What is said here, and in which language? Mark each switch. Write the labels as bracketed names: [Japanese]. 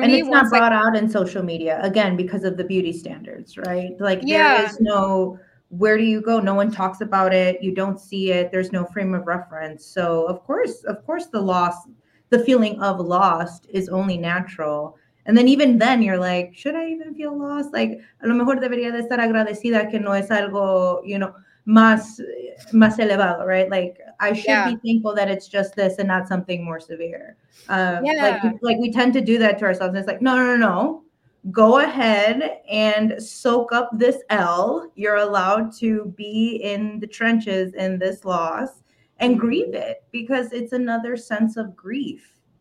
[English] me, it's not brought out in social media again, because of the beauty standards, right? Like there is no, where do you go? No one talks about it. You don't see it. There's no frame of reference. So of course the loss, the feeling of lost is only natural. And then even then you're like, should I even feel lost? [Spanish] Like a lo mejor debería de estar agradecida que no es algo, you know, más elevado, right? [English] Like I should be thankful that it's just this and not something more severe. Like we tend to do that to ourselves. It's like, no. Go ahead and soak up this L. You're allowed to be in the trenches in this loss and grieve it because it's another sense of grief.